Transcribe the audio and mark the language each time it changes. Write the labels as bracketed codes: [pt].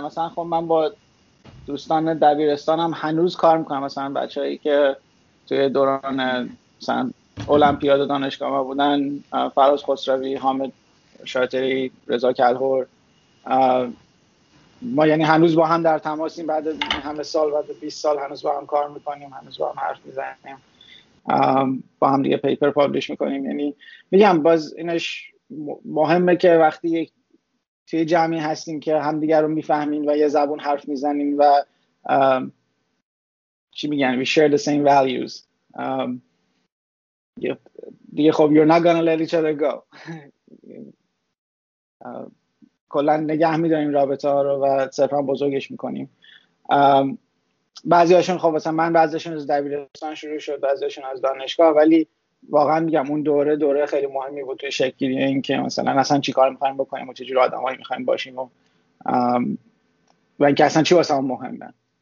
[fa] مثلا خب من با دوستان دبیرستانم هنوز کار میکنم، مثلا بچه هایی که توی دوران مثلا اولمپیاد دانشگاه ما بودن، فراز خسروی، حامد شاطری، رضا کلهور، ما یعنی هنوز با هم در تماسیم بعد همه سال، بعد 20 سال هنوز با هم کار میکنیم، هنوز با هم حرف میزنیم، با هم دیگه پیپر پابلش میکنیم. یعنی میگم باز اینش مهمه که وقتی یک توی جمعی هستیم که هم دیگر رو میفهمین و یه زبون حرف میزنین و چی میگن؟ [en] We share the same values. [fa] دیگه خب [en] you're not gonna let each other go. [fa] کلن نگه میداریم رابطه ها رو و صرفا بزرگش میکنیم. بعضی هاشون خب مثلا من بعضی هاشون از دبیرستان شروع شد، بعضی هاشون از دانشگاه، ولی واقعا میگم اون دوره خیلی مهمی بود توی شکلی این که مثلا اصلا چی کار میخواییم بکنیم و چجور آدم هایی میخواییم باشیم و اینکه اصلا چی واسه همون مهمه.